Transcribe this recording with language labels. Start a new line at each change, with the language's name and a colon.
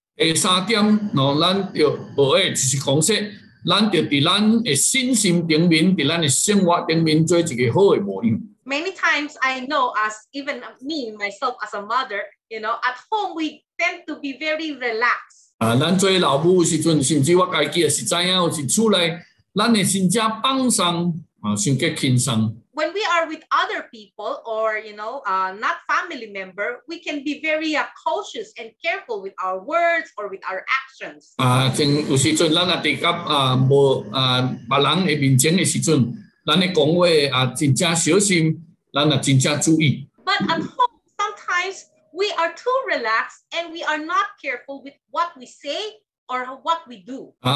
Min Nan Chinese: 第三点，咱要学的就是讲说。咱就伫咱的信心顶面，伫咱的生活顶面做一个好的模样。
English: Many times I know, as even me myself as a mother, you know, at home we tend to be very relaxed.
Min Nan Chinese: 咱做老母时阵，甚至我家己也是知影，是厝内咱的心情放松，想较轻松。
English: when we are with other people or, you know, not family member, we can be very cautious and careful with our words or with our actions. But at home, sometimes we are too relaxed and we are not careful with what we say or what we do.